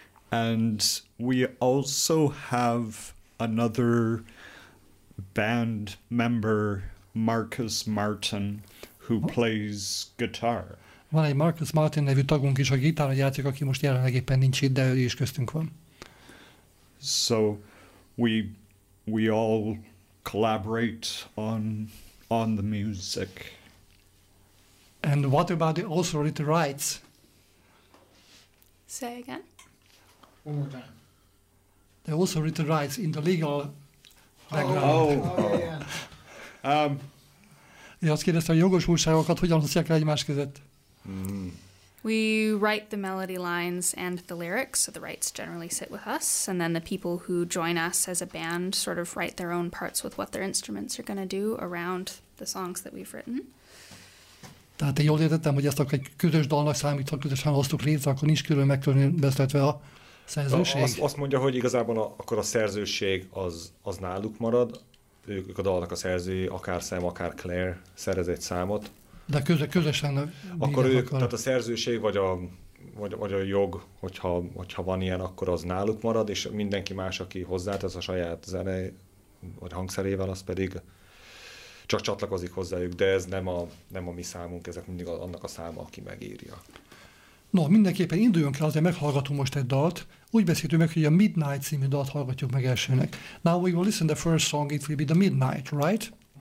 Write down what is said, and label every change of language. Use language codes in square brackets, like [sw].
[en] And we also have another band member, Marcus Martin, who plays guitar. [hu] Van egy Marcus Martin nevű tagunk is, a gitáron játszik, aki most jelenleg éppen nincs itt, de ő is köztünk van. [en] So we all collaborate on the music. And what about the author of the rights? Say again. One more time. They also written rights in the legal background. Oh yeah. [hu] Azt kérdezte, hogy jogosultságokat hogyan hozzák el egymás között? [en] We write the melody lines and the lyrics, so the rights generally sit with us, and then the people who join us as a band sort of write their own parts with what their instruments are going to do around the songs that we've written. [hu] Tehát én jól értettem, hogy ezt akkor egy közös dalnak számít, ha közösen hoztuk létre, akkor nincs külön megkülönböztetve a szerzőség. Azt mondja, hogy igazából akkor a szerzőség az náluk marad, ők a dalnak a szerzői, akár Sam, akár Claire szerez egy számot. De közösen akkor ők, akar. Tehát a szerzőség vagy a jog, hogyha van ilyen, akkor az náluk marad, és mindenki más, aki hozzátesz a saját zene vagy hangszerével, az pedig csak csatlakozik hozzájuk, de ez nem a mi számunk, ezek mindig annak a száma, aki megírja. No, mindenképpen induljunk el, azért meghallgatunk most egy dalt. Úgy beszéltünk meg, hogy a Midnight című dalt hallgatjuk meg elsőnek. [en] Now we will listen to the first song, it will be the Midnight, right?